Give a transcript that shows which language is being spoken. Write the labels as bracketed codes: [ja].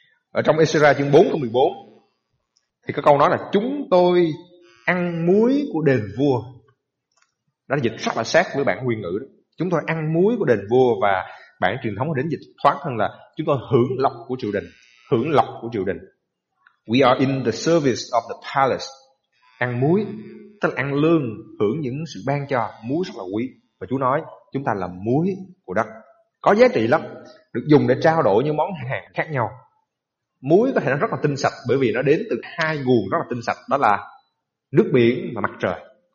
[vi] Ở trong Ezra chương 4 câu 14 thì có câu nói là chúng tôi ăn muối của đền vua. Đó là dịch rất là sát với bản nguyên ngữ đó. Chúng tôi ăn muối của đền vua, và bản truyền thống đến dịch thoáng hơn là chúng tôi hưởng lộc của triều đình. Hưởng lộc của triều đình. [en] We are in the service of the palace. [vi] Ăn muối tức là ăn lương, hưởng những sự ban cho. Muối rất là quý. Và Chúa nói chúng ta là muối của đất, có giá trị lắm, được dùng để trao đổi những món hàng khác nhau. Muối có thể nó rất là tinh sạch bởi vì nó đến từ hai nguồn rất là tinh sạch, đó là nước biển và mặt trời.